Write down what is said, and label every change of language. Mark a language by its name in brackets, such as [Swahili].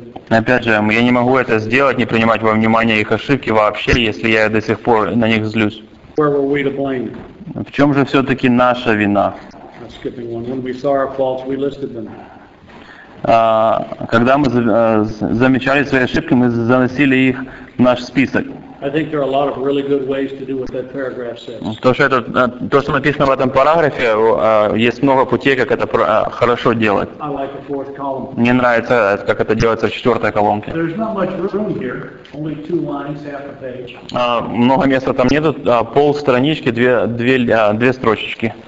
[Russian] Опять же, я не могу это сделать, не принимать во внимание их ошибки вообще, если я до сих пор на них злюсь. В чем же все-таки наша вина? Когда мы замечали свои ошибки, мы заносили их в наш список. [English] I think there are a lot of really good ways to do what that paragraph says. [Russian] То, что это, то, что написано в этом параграфе, есть много путей, как это хорошо делать. [English] I like the fourth column. [Russian] Мне нравится, как это делается в четвертой колонке. [English] There's not much room here, only two lines, half a page. [Russian] Много места там нету, пол странички, две строчечки.